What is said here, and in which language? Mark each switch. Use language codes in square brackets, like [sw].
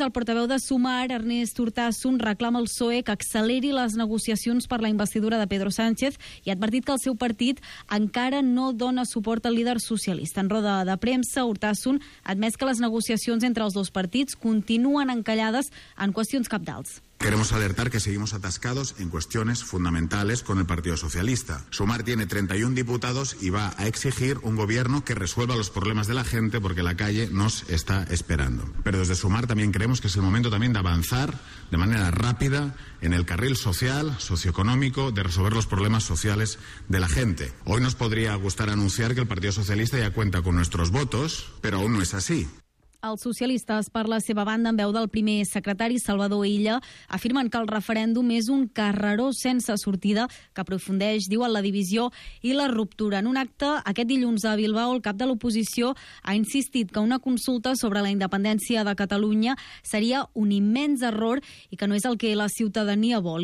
[ca] El portaveu de Sumar, Ernest Urtasun, reclama al PSOE que acceleri les negociacions per la investidura de Pedro Sánchez i ha advertit que el seu partit encara no dona suport al líder socialista. En roda de premsa, Urtasun ha admès que les negociacions entre els dos partits continuen encallades en qüestions cabdals. [es] Queremos alertar que seguimos atascados en cuestiones fundamentales con el Partido Socialista. Sumar tiene 31 diputados y va a exigir un gobierno que resuelva los problemas de la gente porque la calle nos está esperando. Pero desde Sumar también creemos que es el momento también de avanzar de manera rápida en el carril social, socioeconómico, de resolver los problemas sociales de la gente. Hoy nos podría gustar anunciar que el Partido Socialista ya cuenta con nuestros votos, pero aún no es así. [ca] Els socialistes, per la seva banda, en veu del primer secretari, Salvador Illa, afirmen que el referèndum és un carreró sense sortida que aprofundeix, diuen, la divisió i la ruptura. En un acte, aquest dilluns a Bilbao, el cap de l'oposició ha insistit que una consulta sobre la independència de Catalunya seria un immens error i que no és el que la ciutadania vol.